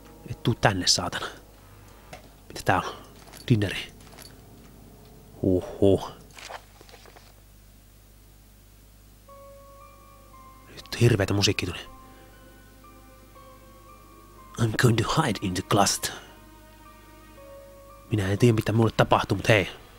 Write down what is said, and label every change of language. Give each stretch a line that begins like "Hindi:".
Finnish: Et tuu tänne, saatana. Mitä tää on? Dinneri. Huhhuh. Nyt hirveetä musiikki tuli.
English: I'm going to hide in the closet.
Finnish: Minä en tiedä mitä mulle tapahtuu, mut hei.